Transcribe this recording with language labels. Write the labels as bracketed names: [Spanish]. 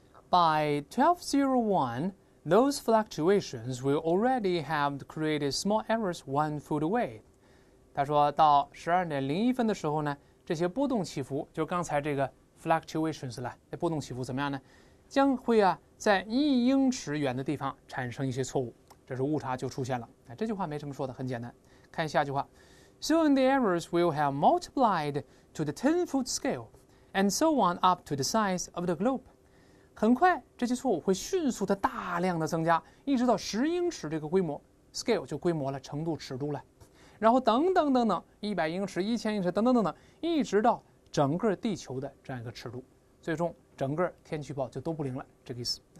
[English] By 12:01, those fluctuations will already have created small errors 1 foot away。 [Chinese] 他说到12:01的时候呢，这些波动起伏就刚才这个。 Fluctuations 了，那波动起伏怎么样呢？将会啊，在一英尺远的地方产生一些错误，这是误差就出现了。哎，这句话没什么说的，很简单。看下句话 [English] ，Soon the errors will have multiplied to the 10-foot scale, and so on up to the size of the globe. [Chinese] 很快，这些错误会迅速的大量的增加，一直到十英尺这个规模 ，scale 就规模了，程度、尺度了。然后等等等等，100英尺、1000英尺，等等等等，一直到。整个地球的这样一个尺度，最终整个天气预报就都不灵了，这个意思。